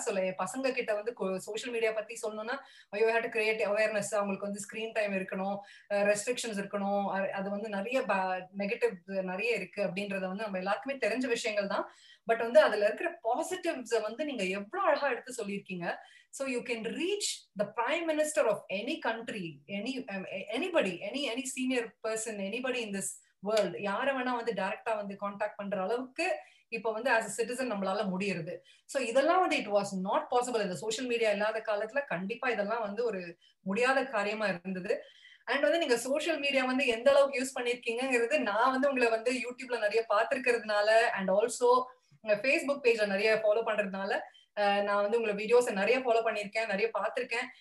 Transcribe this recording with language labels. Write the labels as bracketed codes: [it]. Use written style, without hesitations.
[ta] So பசங்க கிட்ட வந்து சோசியல் மீடியா பத்தி சொன்னோம்னா ஐயோ ஹேட் கிரியேட் அவேர்னஸ், அவங்களுக்கு வந்து ஸ்கிரீன் டைம் இருக்கணும், ரெஸ்ட்ரிக்ஷன்ஸ் இருக்கணும், அது வந்து நிறைய நெகட்டிவ் நிறைய இருக்கு அப்படின்றத வந்து நம்ம எல்லாருக்குமே தெரிஞ்ச விஷயங்கள் தான். பட் வந்து அதுல இருக்கிற பாசிட்டிவ்ஸ வந்து நீங்க எவ்வளவு அழகா எடுத்து சொல்லியிருக்கீங்க. [en] So you can reach the prime minister of any country, anybody, any senior person, anybody in this world. [ta] யாரை வேணா வந்து டைரக்டா வந்து கான்டாக்ட் பண்ற அளவுக்கு இப்ப வந்து [en] as a citizen [ta] நம்மளால முடியுது. [en] So [ta] இதெல்லாம் வந்து [en] it was not possible in the social media [ta] இல்லாத காலத்துல. கண்டிப்பா இதெல்லாம் வந்து ஒரு முடியாத காரியமா இருந்தது. அண்ட் வந்து நீங்க சோசியல் மீடியா வந்து எந்த அளவுக்கு யூஸ் பண்ணிருக்கீங்கிறது நான் வந்து உங்களை வந்து யூடியூப்ல நிறைய பாத்துருக்கிறதுனால, அண்ட் ஆல்சோ ஃபேஸ்புக் பேஜ்ல நிறைய ஃபாலோ பண்றதுனால நான் வந்து உங்களை வீடியோஸ் நிறைய ஃபாலோ பண்ணிருக்கேன், நிறைய பாத்திருக்கேன்.